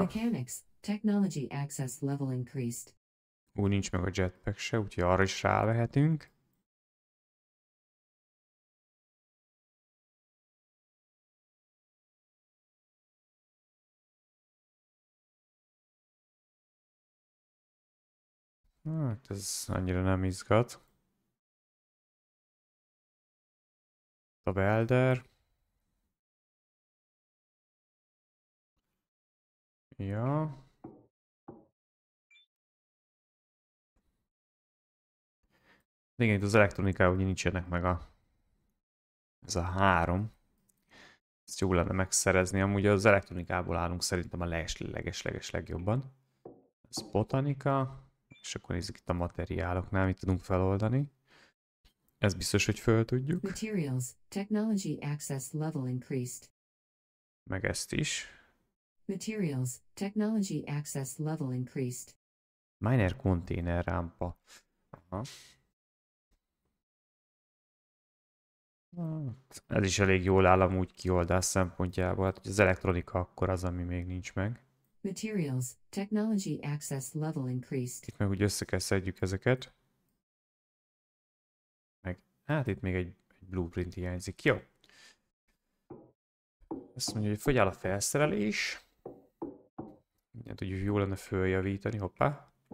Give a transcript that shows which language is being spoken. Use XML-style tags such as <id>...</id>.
<en>Mechanics, technology access level increased.</en> <hu>Úgy nincs meg a jetpack se, úgyhogy arra is rávehetünk. Hát ez annyira nem izgat. A welder. Ja. Igen, itt az elektronikában ugye nincsenek meg a... Ez a három. Ezt jó lenne megszerezni. Amúgy az elektronikából állunk szerintem a leges legjobban. Ez botanika. És akkor nézzük itt a materiáloknál, mit tudunk feloldani. Ez biztos, hogy fel tudjuk.</hu> <en>Materials, technology access level increased.</en> <hu>Meg ezt is.</hu> <en>Materials, technology access level increased.</en> <hu>Miner container rámpa. Aha. Ez is elég jól áll amúgy kioldás szempontjából. Hát, hogy az elektronika akkor az, ami még nincs meg.</hu> <en>Materials, technology access level increased.</en> <hu>Itt meg úgy össze kell szedjük ezeket. Meg, hát itt még egy blueprint hiányzik. Jó. Ezt mondja, hogy fogyál a felszerelés. Mindjárt, hogy jó lenne följavítani, hoppá.</hu>